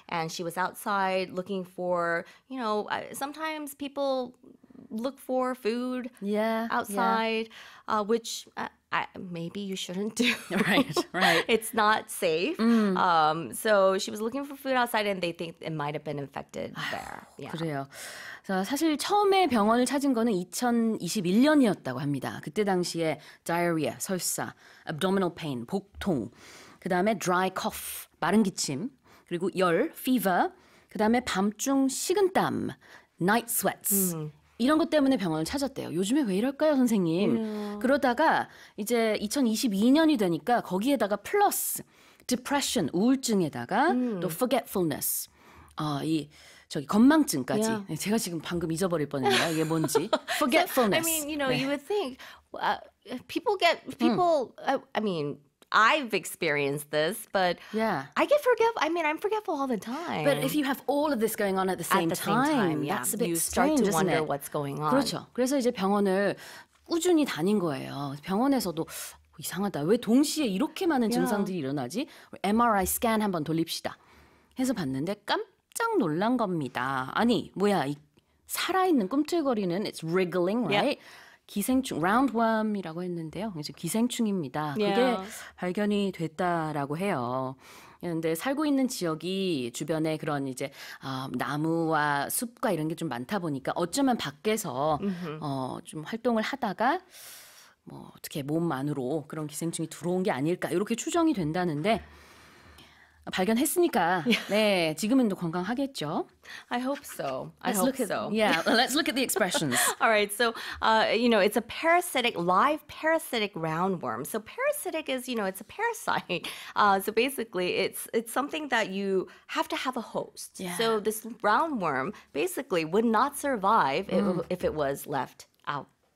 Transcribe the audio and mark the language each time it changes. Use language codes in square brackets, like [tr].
[en] And she was outside looking for, you know, sometimes people look for food yeah, outside, yeah. Which maybe you shouldn't do. Right, right. It's not safe. So she was looking for food outside and they think it might have been infected there. [ko] Yeah. 그래요. 사실 처음에 병원을 찾은 거는 2021년이었다고 합니다. 그때 당시에 diarrhea, 설사, abdominal pain, 복통, 그 다음에 dry cough, 마른 기침, 그리고 열, fever, 그 다음에 밤중 식은땀, night sweats, 이런 것 때문에 병원을 찾았대요. 요즘에 왜 이럴까요, 선생님? Yeah. 그러다가 이제 2022년이 되니까 거기에다가 플러스 depression, 우울증에다가 또 forgetfulness, 저기 건망증까지 yeah. 제가 지금 방금 잊어버릴 뻔했네요. 이게 뭔지. Forgetfulness. [en] So, I mean, you know, 네. you would think people get people I mean, I've experienced this, but yeah. I get forgetful. I mean, I'm forgetful all the time. But if you have all of this going on at the same time, that's a bit you strange, start to wonder it? What's going on. [ko] 그렇죠. 그래서 이제 병원을 꾸준히 다닌 거예요. 병원에서도 이상하다. 왜 동시에 이렇게 많은 yeah. 증상들이 일어나지? MRI 스캔 한번 돌립시다. 해서 봤는데 깜짝 놀란 겁니다. 아니, 뭐야, 이 살아있는 꿈틀거리는 it's wriggling, right? Yeah. 기생충, roundworm이라고 했는데요. 이제 기생충입니다. Yeah. 그게 발견이 됐다라고 해요. 그런데 살고 있는 지역이 주변에 그런 이제 나무와 숲과 이런 게 좀 많다 보니까 어쩌면 밖에서 좀 활동을 하다가 뭐 어떻게 몸 안으로 그런 기생충이 들어온 게 아닐까 이렇게 추정이 된다는데 발견했으니까 네 지금은 또 건강하겠죠. [en] I hope so. Yeah, let's look at the expressions. All right, so you know, it's a parasitic live parasitic roundworm. So parasitic is you know it's a parasite. So basically, it's something that you have to have a host. Yeah. So this roundworm basically would not survive if it was left out.